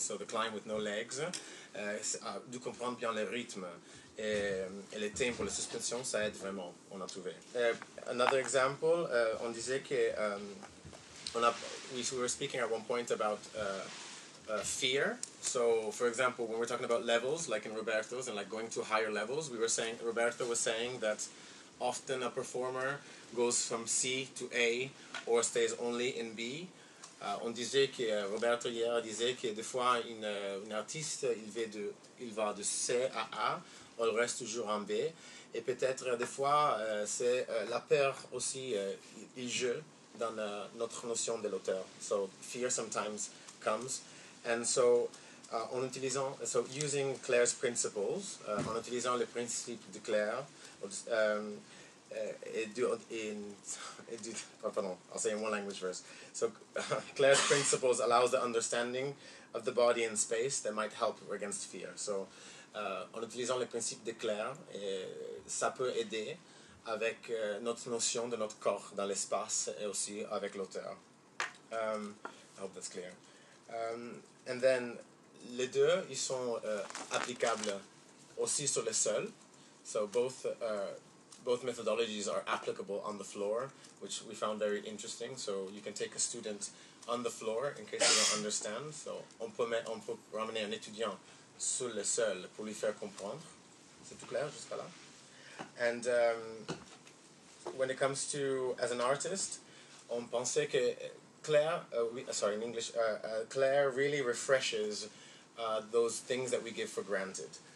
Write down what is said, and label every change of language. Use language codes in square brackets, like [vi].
[en] So, the climb with no legs. [fr] De comprendre bien le rythme et les tempos, les suspensions, ça aide vraiment, on a trouvé. [en] Another example, [fr] on disait que... [en] We were speaking at one point about fear. So, for example, when we're talking about levels, like in Roberto's, and like going to higher levels, Roberto was saying that often a performer goes from C to A or stays only in B. [fr] On disait que Roberto hier disait que des fois une artiste il va de C à A, ou il reste toujours en B, et peut-être des fois c'est la peur aussi il joue dans notre notion de l'auteur. [en] So fear sometimes comes, and so. Using Clare's principles, [fr] en utilisant les principes de Clare, [en] I'll say in one language first. So, Clare's principles allows the understanding of the body in space that might help against fear. [fr] So, en utilisant les principes de Clare, ça peut aider avec notre notion de notre corps dans l'espace et aussi avec l'auteur. [en] I hope that's clear. And then, [fr] les deux, ils sont applicables aussi sur le sol. [en] So both methodologies are applicable on the floor, which we found very interesting. So you can take a student on the floor in case they don't understand. [fr] So on peut ramener un étudiant sur le sol pour lui faire comprendre. C'est tout clair jusqu'à là? [en] And when it comes to, as an artist, [fr] on pensait que [en] Clare really refreshes those things that we give for granted.